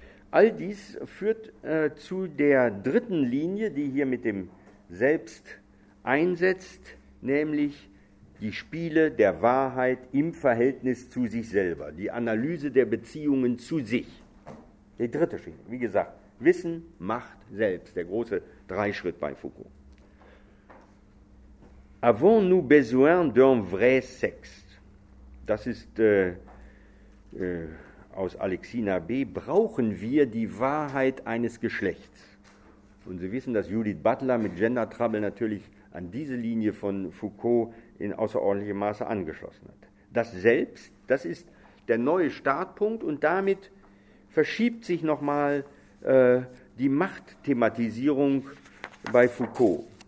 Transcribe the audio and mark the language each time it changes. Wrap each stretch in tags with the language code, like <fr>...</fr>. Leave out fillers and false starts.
<de>All dies führt zu der dritten Linie, die hier mit dem Selbst einsetzt, nämlich die Spiele der Wahrheit im Verhältnis zu sich selber, die Analyse der Beziehungen zu sich. Die dritte Schiene, wie gesagt, Wissen, Macht, Selbst, der große Dreischritt bei Foucault.</de> <fr>Avons-nous besoin d'un vrai sexe?</fr> <de>Das ist aus Alexina B. Brauchen wir die Wahrheit eines Geschlechts? Und Sie wissen, dass Judith Butler mit Gender Trouble natürlich an diese Linie von Foucault in außerordentlichem Maße angeschlossen hat. Das Selbst, das ist der neue Startpunkt, und damit verschiebt sich nochmal die Machtthematisierung bei Foucault.</de>